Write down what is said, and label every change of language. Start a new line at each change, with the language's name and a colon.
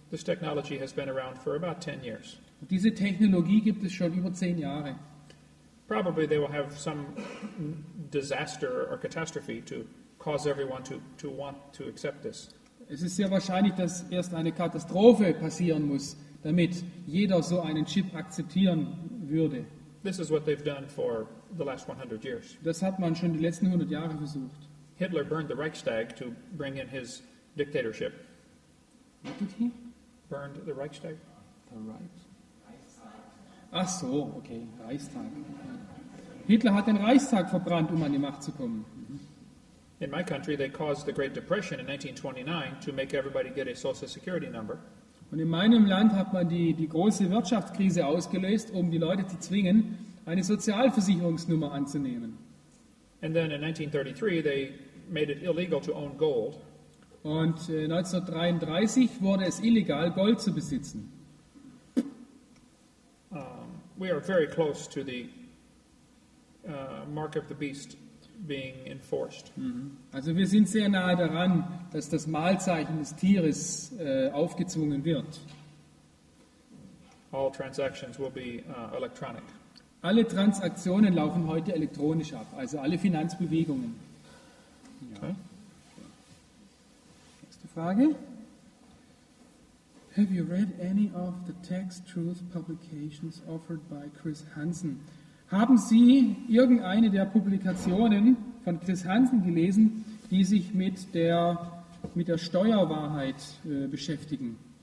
English: This technology has been around for about 10 years.
German: Und diese Technologie gibt es schon über 10 Jahre.
English: Probably they will have some disaster or catastrophe to cause everyone to want to accept this.
German: Es ist sehr wahrscheinlich, dass erst eine Katastrophe passieren muss, damit jeder so einen Chip akzeptieren würde.
English: This is what they've done for the last 100 years.
German: Das hat man schon die letzten 100 Jahre versucht.
English: Hitler burned the Reichstag to bring in his dictatorship. What did he? Burned the Reichstag.
German: The Reichstag. Ach so, okay, Reichstag. Hitler hat den Reichstag verbrannt, um an die Macht zu kommen.
English: In my country, they caused the Great Depression in 1929 to make everybody get a Social Security number.
German: Und in meinem Land hat man die große Wirtschaftskrise ausgelöst, um die Leute zu zwingen, eine Sozialversicherungsnummer anzunehmen.
English: And then in 1933 they made it illegal to own gold.
German: Und 1933 wurde es illegal, Gold zu besitzen.
English: We are very close to the mark of the beast being enforced.
German: Also wir sind sehr nahe daran, dass das Malzeichen des Tieres aufgezwungen wird.
English: All transactions will be electronic.
German: Alle Transaktionen laufen heute elektronisch ab, also alle Finanzbewegungen. Ja. Okay. Nächste Frage.
English: Have you read any of the Tax Truth publications offered by Chris Hansen?
German: Haben Sie irgendeine der Publikationen von Chris Hansen gelesen, die sich mit der Steuerwahrheit beschäftigen?